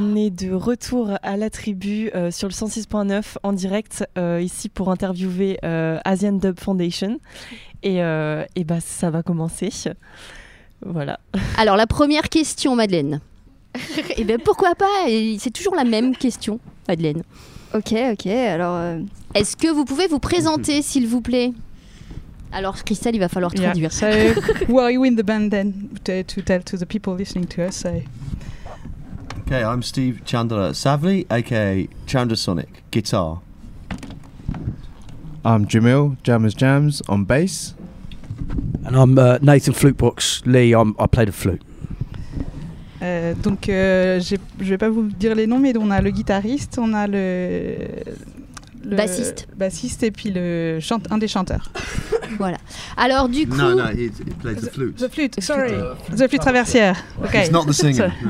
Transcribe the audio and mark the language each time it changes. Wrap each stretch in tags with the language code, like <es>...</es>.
<fr>De retour à la tribu sur le 106.9 en direct ici pour interviewer Asian Dub Foundation et bah ça va commencer, voilà. Alors la première question, Madeleine. Et ben pourquoi pas, c'est toujours la même question, Madeleine. Ok, alors est-ce que vous pouvez vous présenter, s'il vous plaît? Alors Christelle, il va falloir traduire.</fr> <en>So who are you in the band then, to tell to the people listening to us? Okay, I'm Steve Chandler Savely, aka Chandrasonic, guitar. I'm Jamil, Jammers Jams, on bass. And I'm Nathan Flutebox Lee, I play the flute.</en> <fr>Donc, je vais pas vous dire les noms, mais on a le guitariste, on a le... Bassiste et puis un des chanteurs. Voilà. Alors du coup.</fr> <en>No, he plays the flute. The flute traversière. Ok. It's not the singer.</en>